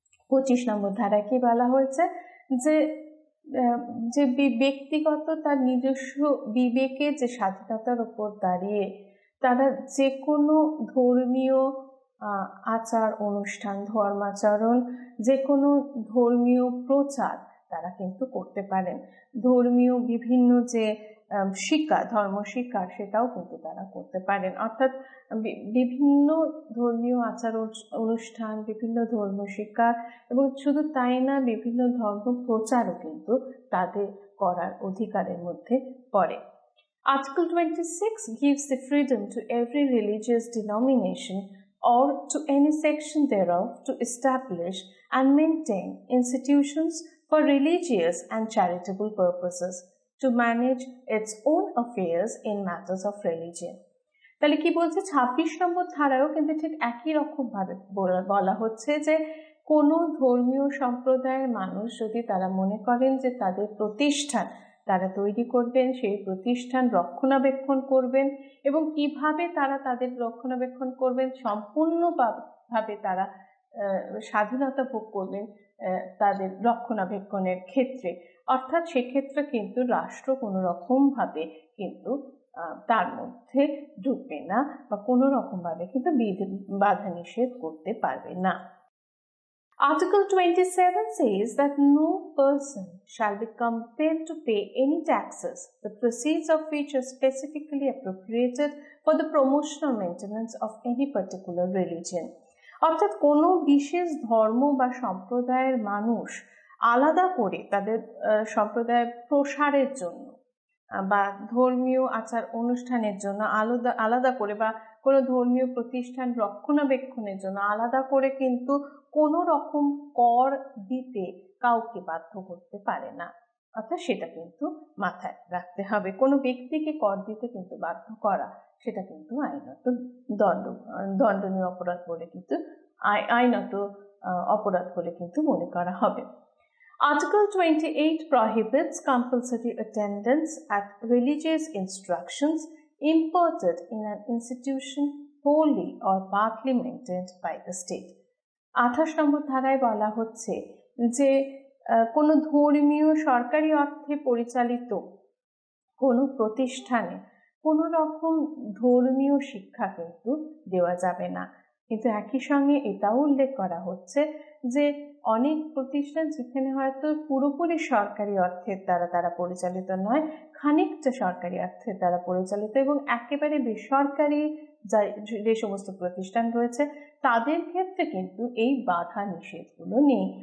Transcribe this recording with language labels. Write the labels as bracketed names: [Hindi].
[Bangla] 25 নম্বর ধারায় কি বলা হয়েছে যে যে ব্যক্তিগত তার নিজস্ব বিবেকে যে স্বাধীনতার উপর দাঁড়িয়ে তারা যে কোনো ধর্মীয় আচার অনুষ্ঠান, ধর্মাচরণ, যে কোনো ধর্মীয় প্রচার তারা কিন্তু করতে পারেন, ধর্মীয় বিভিন্ন যে শিক্ষা, ধর্ম শিক্ষা সেটাও কিন্তু তারা করতে পারেন। অর্থাৎ বিভিন্ন ধর্মীয় আচার অনুষ্ঠান, বিভিন্ন ধর্ম শিক্ষা, এবং শুধু তাই না, বিভিন্ন ধর্ম প্রচারও কিন্তু তাদের করার অধিকারের মধ্যে পড়ে। [English] Article 26 gives the freedom to every religious denomination or to any section thereof to establish and maintain institutions for religious and charitable purposes to manage its own affairs in matters of religion. [Bangla] তাহলে কি বলছে 26 নম্বর ধারায়ও কিন্তু ঠিক একই রকম ভাবে বলা হচ্ছে যে কোন ধর্মীয় সম্প্রদায়ের মানুষ যদি তারা মনে করেন যে তাদের প্রতিষ্ঠান তারা তৈরি করবেন, সেই প্রতিষ্ঠান রক্ষণাবেক্ষণ করবেন, এবং কিভাবে তারা তাদের রক্ষণাবেক্ষণ করবেন, সম্পূর্ণভাবে তারা স্বাধীনতা ভোগ করবেন তাদের রক্ষণাবেক্ষণের ক্ষেত্রে, অর্থাৎ সেক্ষেত্রে কিন্তু রাষ্ট্র কোনো রকমভাবে কিন্তু তার মধ্যে ঢুকবে না বা কোনো রকমভাবে কিন্তু বাধা নিষেধ করতে পারবে না। [English] Article 27 says that no person shall be compelled to pay any taxes, the proceeds of which are specifically appropriated for the promotion or maintenance of any particular religion. [Bangla] অর্থাৎ কোনো বিশেষ ধর্ম বা সম্প্রদায়ের মানুষ আলাদা করে তাদের সম্প্রদায়ের প্রসারের জন্য বা ধর্মীয় আচার অনুষ্ঠানের জন্য আলাদা করে বা কোনো ধর্মীয় প্রতিষ্ঠান রক্ষণাবেক্ষণের জন্য আলাদা করে কিন্তু কোনো রকম কর দিতে কাউকে বাধ্য করতে পারে না। অর্থাৎ সেটা কিন্তু মাথায় রাখতে হবে, কোনো ব্যক্তিকে কর দিতে কিন্তু বাধ্য করা সেটা কিন্তু আইনত দণ্ডনীয় অপরাধ বলে কিন্তু আইনত অপরাধ বলে কিন্তু মনে করা হবে। [English] Article 28 prohibits compulsory attendance at religious instructions imparted in an institution wholly or partly maintained by the state. [Bangla] 28 নম্বর ধারায় বলা হচ্ছে যে কোনো ধর্মীয় সরকারি অর্থে পরিচালিত কোনো প্রতিষ্ঠানে কোনো রকম ধর্মীয় শিক্ষা কিন্তু দেওয়া যাবে না। কিন্তু একই সঙ্গে এটাও উল্লেখ করা হচ্ছে যে অনেক প্রতিষ্ঠান যেখানে হয়তো পুরোপুরি সরকারি অর্থের দ্বারা তারা পরিচালিত নয়, খানিকটা সরকারি অর্থের দ্বারা পরিচালিত, এবং একেবারে বেসরকারি যে সমস্ত প্রতিষ্ঠান রয়েছে তাদের ক্ষেত্রে কিন্তু এই বাধা নিষেধগুলো নেই।